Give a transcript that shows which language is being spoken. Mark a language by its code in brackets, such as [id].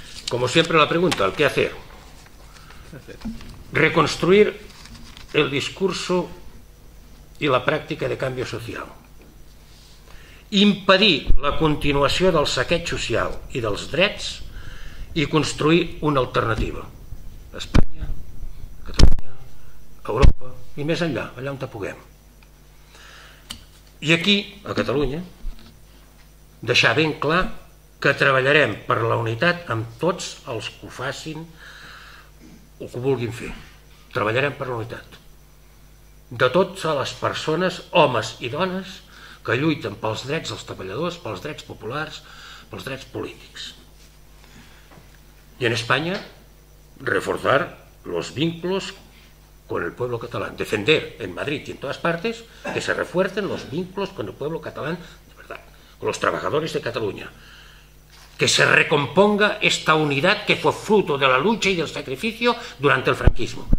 [es] Como siempre la pregunta, ¿el qué hacer? Reconstruir el discurso y la práctica de cambio social. Impedir la continuación del saqueig social y de los derechos y construir una alternativa. España, Cataluña, Europa y más allá, allá donde puguem. Y aquí, a Cataluña, dejar bien claro que [ca] treballarem per la unitat amb tots els que ho facin o que ho vulguin fer. Treballarem per la unitat. De totes les persones, homes i dones, que lluiten pels drets dels treballadors, pels drets populars, pels drets polítics. I en Espanya, [es] reforzar los vínculos con el pueblo catalán. Defender en Madrid y en todas partes que se refuercen los vínculos con el pueblo catalán, de verdad, con los trabajadores de Cataluña. Que se recomponga esta unidad que fue fruto de la lucha y del sacrificio durante el franquismo.